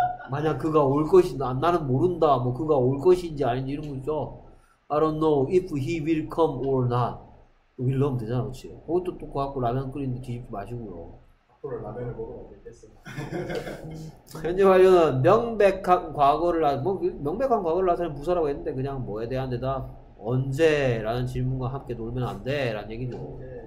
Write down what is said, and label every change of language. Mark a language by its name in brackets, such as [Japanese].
[Korean] 만약 그가 올 것인지, 나는 모른다. 뭐 그가 올 것인지 아닌지 이런 거죠. [English] I don't know if he will come or not. [Korean] 이렇게 넣으면 되잖아, 그렇지? 그것도 또 갖고 라면 끓이는데 뒤집지 마시고요. 앞으로 라면을 먹으면 되겠어. 현재 완료는 명백한 과거를 뭐 명백한 과거를 나타낸 부사라고 했는데 그냥 뭐에 대한 대답. 언제라는 질문과 함께 놀면 안 돼라는 얘기죠.